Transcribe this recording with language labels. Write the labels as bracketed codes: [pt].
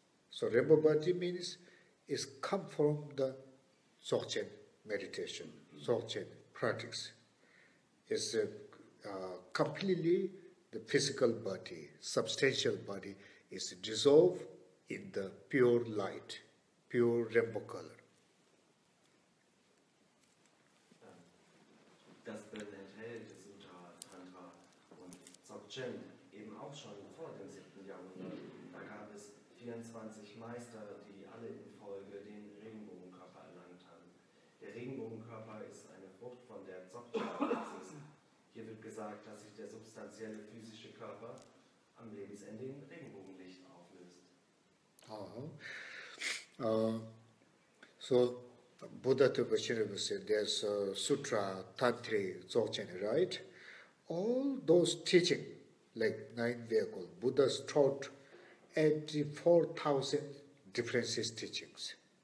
[en] So Rebobati means is come from the Dzogchen meditation, Dzogchen practice. It's completely the physical body, substantial body is dissolved in the pure light, pure rainbow color. [de] Das enthält Sutra, Tantra und Dzogchen eben auch schon vor dem 7. Jahrhundert. Da gab es 24 Meister, die alle in Folge den Regenbogenkörper erlangt haben. Der Regenbogenkörper ist eine Frucht von der Dzogchen-Praxis. Hier wird gesagt, dass sich der substanzielle physische Körper am Lebensende in Regenbogenlicht auflöst. Aha. [en] So, Buddha Tepa Shenpa said, there's Sutra, Tantri, Dzogchen, right? All those teachings, like 9 vehicles, Buddha taught 84,000 different teachings.